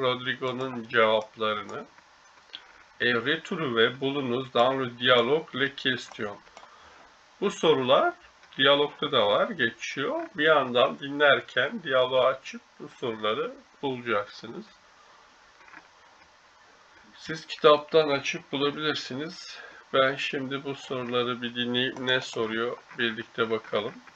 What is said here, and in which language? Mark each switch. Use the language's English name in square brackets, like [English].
[Turkish] Rodrigo'nun cevaplarını. [French] Retrouvez, bulunuz dans le dialogue les questions. [Turkish] Bu sorular diyalogta da var, geçiyor. Bir yandan dinlerken diyaloğu açıp bu soruları bulacaksınız. Siz kitaptan açıp bulabilirsiniz. Ben şimdi bu soruları bir dinleyip ne soruyor birlikte bakalım.